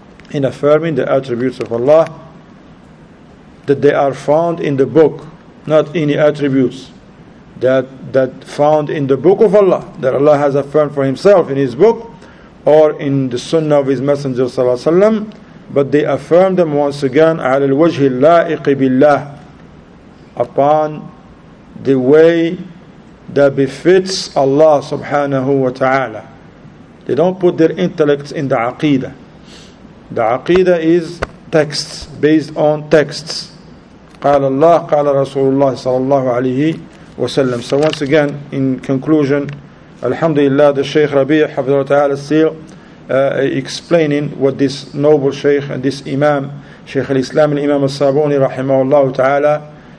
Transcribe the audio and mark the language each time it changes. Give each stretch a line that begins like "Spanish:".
English: In affirming the attributes of Allah that they are found in the book, not any attributes that found in the book of Allah, that Allah has affirmed for himself in his book or in the Sunnah of his Messenger sallallahu alayhi wa sallam, but they affirm them once again
Arabic: عَلَى الْوَجْهِ اللَّائِقِ بِاللَّهِ,
English: upon the way that befits Allah subhanahu wa ta'ala. They don't put their intellects in the aqidah. The aqidah is texts, based on texts.
Arabic: قال الله قال رسول الله صلى الله عليه وسلم.
English: So once again, in conclusion, alhamdulillah, the Shaykh Rabi'ah hafidhahu ta'ala still explaining what this noble Shaykh and this Imam, Shaykh al-Islam al-Imam al-Sabuni rahimahullah ta'ala,